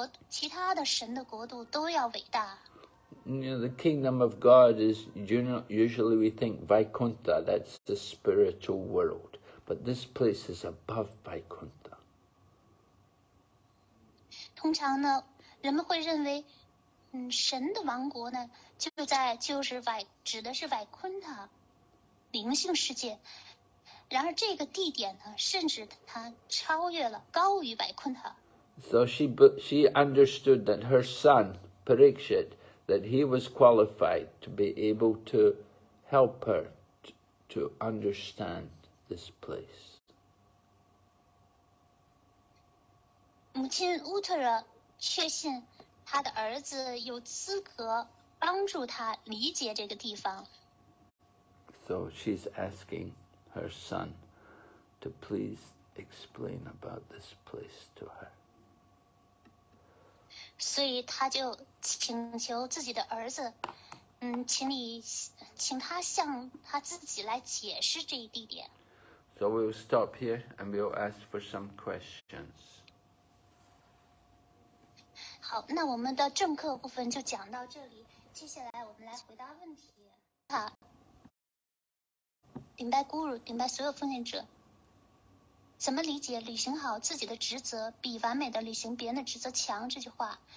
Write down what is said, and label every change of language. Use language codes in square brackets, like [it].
[zh] 其他的神的国度都要伟大。 [en] You know, the kingdom of God is, usually we think Vaikuntha, that's the spiritual world. But this place is above Vaikuntha. [zh] 通常呢，人们会认为，神的王国呢，指的是Vaikuntha，灵性世界。然而这个地点呢，甚至它超越了，高于Vaikuntha。 [en] So she understood that her son, Parikshit, that he was qualified to be able to help her to understand this place. [zh] 母亲 Uttara 确信她的儿子有资格帮助她理解这个地方。 [en] So she's asking her son to please explain about this place to her. [zh] 所以他就请求自己的儿子，嗯，请你，请他向他自己来解释这一地点。 [en] So we'll stop here and we'll ask for some questions. [zh] 好，那我们的正课部分就讲到这里，接下来我们来回答问题。好，顶拜 Guru， 顶拜所有奉献者。怎么理解履行好自己的职责比完美的履行别人的职责强这句话？